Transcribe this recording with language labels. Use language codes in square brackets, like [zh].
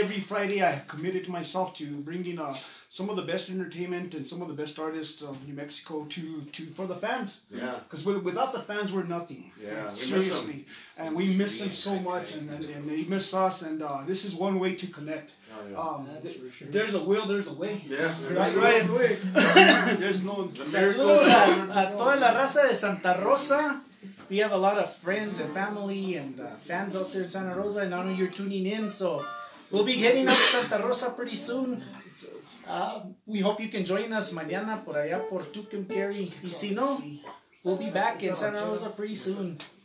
[en] Every Friday I have committed myself to bringing some of the best entertainment and some of the best artists of New Mexico to for the fans. Yeah. Because without the fans, we're nothing. Yeah. Seriously. And we miss them so much, and they miss us, and this is one way to connect. Oh, yeah. Sure. There's a will, there's a way. Yeah, there's right. A way. There's no. [es] Saludos a toda la raza de Santa Rosa. [en] We have a lot of friends and family and fans out there in Santa Rosa, and I know you're tuning in, so we'll be heading up to Santa Rosa pretty soon. We hope you can join us [es] mañana por allá por [en] Tucum Carey. [es] Y si no, [en] we'll be back in Santa Rosa pretty soon.